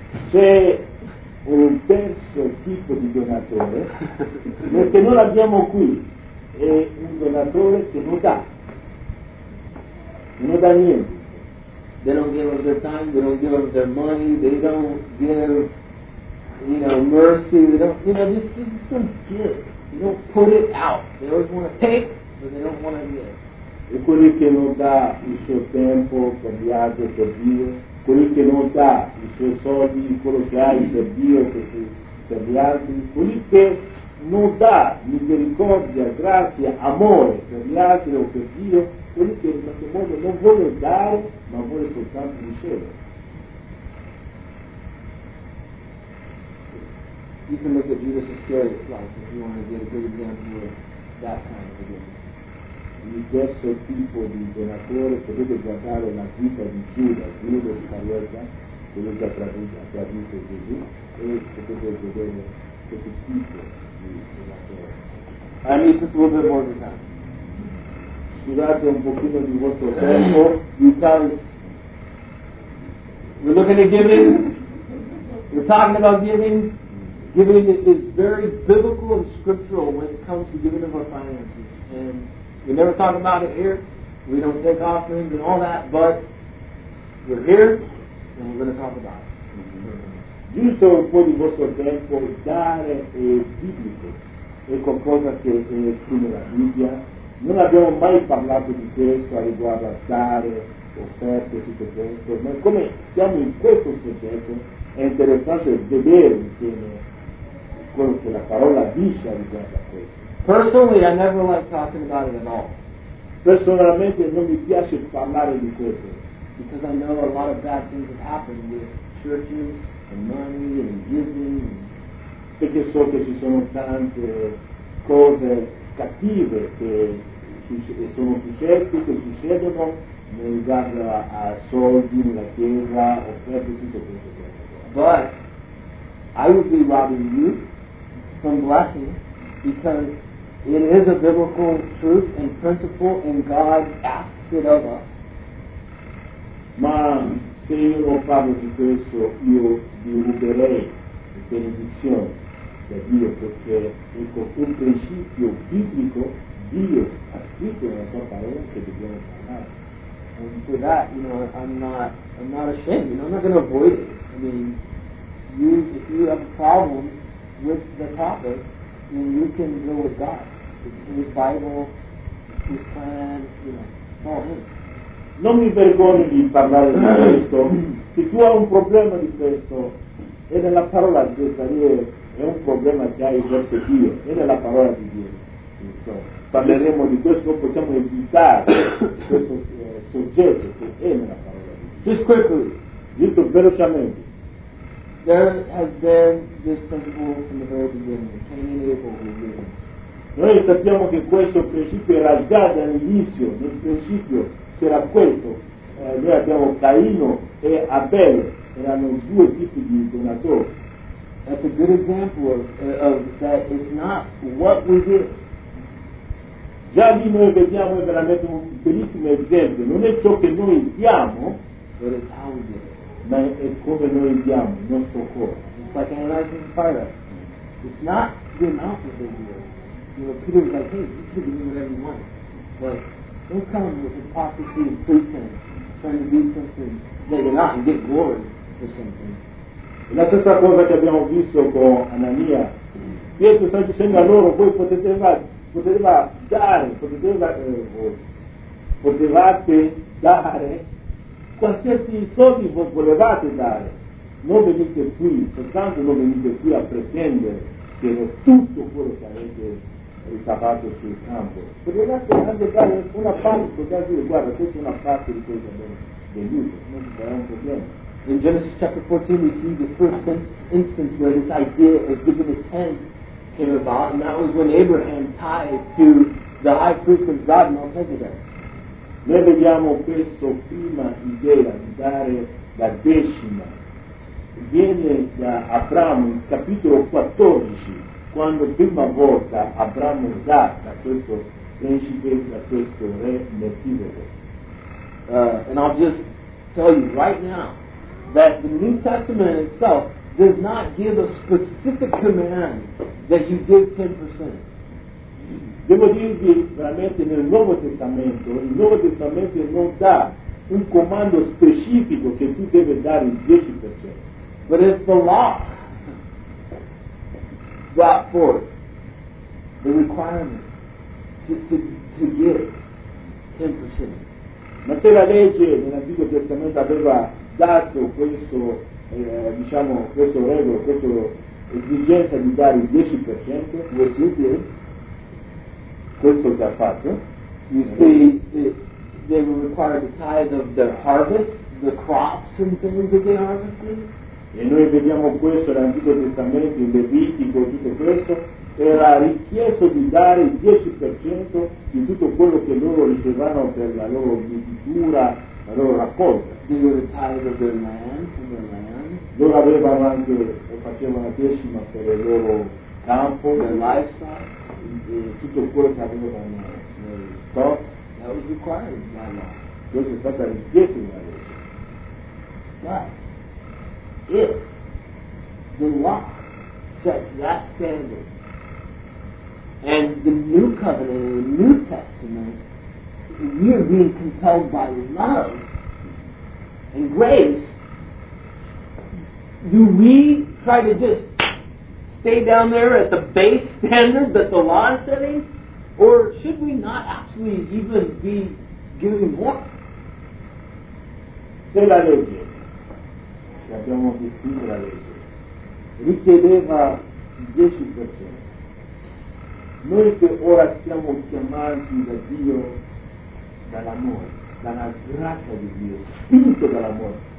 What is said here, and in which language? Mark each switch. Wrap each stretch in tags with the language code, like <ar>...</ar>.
<it>C'è un terzo tipo di donatore, perché noi l'abbiamo qui, è un donatore che non dà. Non dà niente.</it> <en>They don't give up their time, they don't give up their money, they don't give, you know, mercy, they don't, you know, this don't give. They don't put it out. They always want to take, but they don't want to give.</en> <it>E quelli che non dà il suo tempo per viaggio per Dio, quelli che non dà i suoi soldi, quello che ha per Dio per gli altri, quelli che non dà misericordia, grazia, amore per gli altri o per Dio, quelli che in qualche modo non vuole dare, ma vuole soltanto ricevere.</it> <en>You can look at Judas Iscariot's life if you want to get a good example of that kind of a giver.</en> <it>Il terzo tipo di donatore, potete guardare la vita di Giuda, Judas Iscariot, quello che ha tradito Gesù, e potete vedere questo tipo di donatore.</it> <en>I need just a little bit more of time.</en> <it>Scusate un pochino di vostro tempo,</it> <en>because we're looking at giving, we're talking about giving. Giving is very biblical and scriptural when it comes to giving of our finances. And we never talk about it here. We don't take offerings and all that, but we're here and we're going to talk about it.</en> <it>Giusto un po' di vostro tempo, dare è biblico. È qualcosa che è scritto nella Bibbia. Non abbiamo mai parlato di questo riguardo a dare, offerte, tutto questo. Ma come siamo in questo soggetto, è interessante vedere insieme quello che la parola dice riguardo a questo.</it> <en>Personally, I never like talking about it at all.</en> <it>Personalmente non mi piace parlare di questo.</it> <en>Because I know a lot of bad things have happened with churches and money and giving.</en> <it>Perché so che ci sono tante cose cattive che sono successe, che succedono nel dare a soldi nella chiesa, offerte tutto questo.</it> <en>But I would be robbing you from blessing because it is a biblical truth and principle, and God asks it of us.</en> <it>Ma se io non parlo di questo, io vi ruberei la benedizione da Dio, perché ecco, un principio biblico, Dio ha scritto nella sua parola che dobbiamo parlare.</it> <en>And for that, you know, I'm not ashamed, you know, I'm not going to avoid it. I mean, if you have a problem with the topic, then you can deal with God. It's in His Bible, His plan, you know, follow Him.</en> <it>Non mi vergogno di parlare di questo. Se tu hai un problema di questo, è nella parola di Dio, è un problema che hai verso Dio, è nella parola di Dio. So, parleremo di questo, possiamo evitare questo soggetto che è nella parola di Dio.</it> <en>Just quickly,</en> <it>detto velocemente.</it> <en>There has been this principle from the very beginning, Cain and Abel were given.</en> <it>Noi sappiamo che questo principio era già dall'inizio, nel principio. C'era questo, noi abbiamo Caino e Abel, erano due tipi di donatori.</it> <en>That's a good example of that it's not what we do.</en> <it>Già lì noi vediamo veramente un bellissimo esempio, non è ciò che noi diamo,</it> <en>but it's how we do it.</en> <it>Ma è come noi diamo, il nostro cuore.</it> <en>It's like analyzing fire. It's not the amount that they do. You know, Peter was like, hey, you can give me whatever you want. But don't come with hypocrisy and pretense, trying to be something that you're not and get glory for something.</en> <it>E la stessa cosa che abbiamo visto con Anania. Pietro sta dicendo a loro, voi potevate dare qualsiasi soldi voi volevate dare. Non venite qui, soltanto non venite qui a pretendere che era tutto quello che avete ricavato sul campo. Potevate anche dare una parte, potevate dire, guarda, questa è una parte di quello che abbiamo venuto, non ci sarà un problema.</it> <en>In Genesis chapter 14 we see the first instance where this idea of giving a tenth came about, and that was when Abraham tied to the high priest of God Melchizedek.</en> <it>Noi vediamo questa prima idea di dare la decima. Viene da Abramo in capitolo 14, quando prima volta Abramo dà da questo principe, da questo re Melchizedek.</it> <en>And I'll just tell you right now that the New Testament itself does not give a specific command that you give 10%.</en> <it>Devo dirvi veramente nel Nuovo Testamento, il Nuovo Testamento non dà un comando specifico che tu devi dare il 10%.</it> <en>But it's the law brought forth the requirement to give 10%.</en> <it>Ma se la legge nell'Antico Testamento aveva dato questo, diciamo, questo regolo, questa esigenza di dare il 10%,</it> <en>which you did,</en> <it>questo già fatto.</it> <en>You see, they were required to tithe of their harvest, the crops and things that they harvested.</en> <it>E noi vediamo questo nell'Antico Testamento, in Levitico, tutto questo, era richiesto di dare il 10% di tutto quello che loro ricevano per la loro agricoltura, la loro raccolta.</it> <en>They were the tithe of their land, from their land.</en> <it>Loro avevano anche, o facevano la decima per il loro campo,</it> <en>their livestock.</en> <it>Tutto quello che avevano nel stock.</it> <en>That was required by law.</en> <it>Questo è stato richiesto dalla legge.</it> <en>But if the law sets that standard, and the new covenant, the new testament, we are being compelled by love and grace, do we try to just stay down there at the base standard that the law is setting? Or should we not actually even be giving more?</en> <it>Se la legge, che abbiamo distinto la legge, richiedeva 10%, noi che ora siamo chiamati da Dio dall'amore, dalla grazia di Dio, spinto dall'amore.</it>